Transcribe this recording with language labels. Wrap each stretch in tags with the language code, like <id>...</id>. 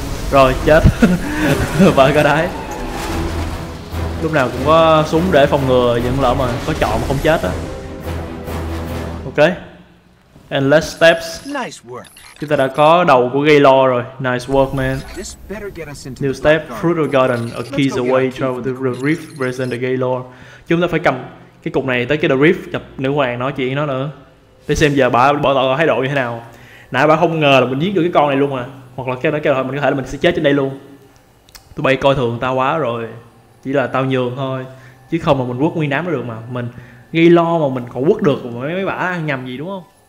<vi>Rồi, chết. Bà cái đấy. Lúc nào cũng có súng để phòng ngừa những lỡ mà có chọn mà không chết á.</vi> <en>Ok. And last steps. Nice work.</en> <vi>Chúng ta đã có đầu của Gaylord rồi.</vi> <en>Nice work, man. New step, Fruit of Garden, a key's away, travel to the Rift, present the Gaylord.</en> <vi>Chúng ta phải cầm cái cục này tới cái The Rift, gặp nữ hoàng nói chuyện với nó nữa. Để xem giờ bà tỏ thái độ như thế nào. Nãy bà không ngờ là mình giết được cái con này luôn à. Hoặc là cái nó kêu là mình có thể là mình sẽ chết trên đây luôn. Tụi bay coi thường tao quá rồi. Chỉ là tao nhường thôi. Chứ không mà mình quất nguyên đám nó được mà. Mình Gaylord mà mình còn quất được mà mấy bà ăn nhầm gì đúng không?</vi>